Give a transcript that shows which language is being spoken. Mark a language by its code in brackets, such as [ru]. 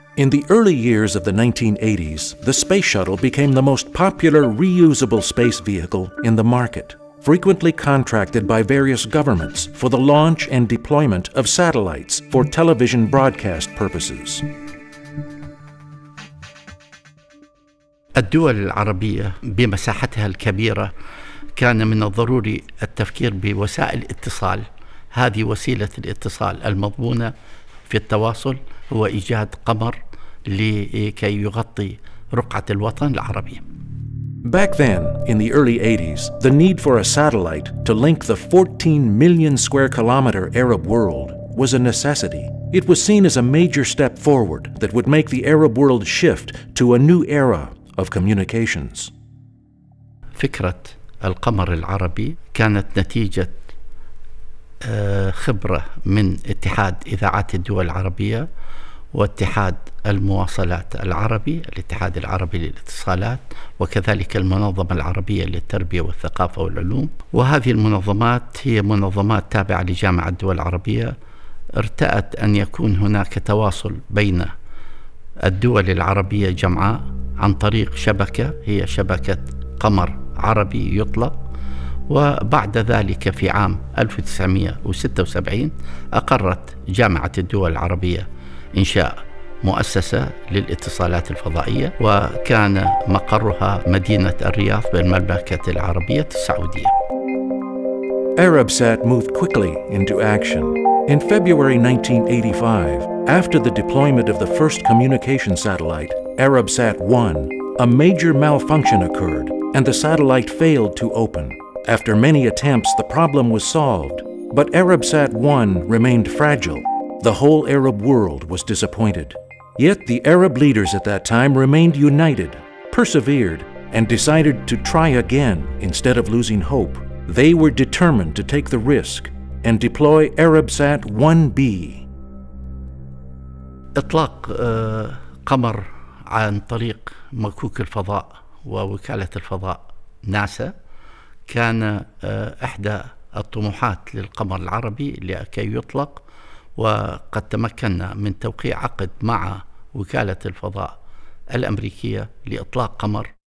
[en] In the early years of the 1980s, the space shuttle became the most popular reusable space vehicle in the market, frequently contracted by various governments for the launch and deployment of satellites for television broadcast purposes. [ar] الدول العربية بمساحتها الكبيرة كان من الضروري التفكير بوسائل اتصال. هذه وسيلة الاتصال المضمونة في التواصل هو إيجاد قمر لكي يغطي رقعة الوطن العربي. [en] Back then, in the early 80s, the need for a satellite to link the 14 million square kilometer Arab world was a necessity. It was seen as a major step forward that would make the Arab world shift to a new era of communications. [ar] فكرة القمر العربي كانت نتيجة خبرة من اتحاد إذاعات الدول العربية واتحاد المواصلات العربي، الاتحاد العربي للاتصالات، وكذلك المنظمة العربية للتربية والثقافة والعلوم. وهذه المنظمات هي منظمات تابعة لجامعة الدول العربية، ارتأت أن يكون هناك تواصل بين الدول العربية جمعاء عن طريق شبكة، هي شبكة قمر عربي يطلق. وبعد ذلك في عام 1976 أقرت جامعة الدول العربية إنشاء مؤسسة للاتصالات الفضائية، وكان مقرها مدينة الرياض بالمملكة العربية السعودية. [en] Arabsat moved quickly into action. In February 1985, after the deployment of the first communication satellite, Arabsat 1, a major malfunction occurred and the satellite failed to open. After many attempts, the problem was solved, but Arabsat 1 remained fragile. The whole Arab world was disappointed. Yet the Arab leaders at that time remained united, persevered, and decided to try again instead of losing hope. They were determined to take the risk and deploy Arabsat 1B. [ar] إطلاق قمر عن طريق مكوك الفضاء ووكالة الفضاء ناسا كان إحدى الطموحات للقمر العربي لكي يطلق، وقد تمكننا من توقيع عقد مع وكالة الفضاء الأمريكية لإطلاق قمر.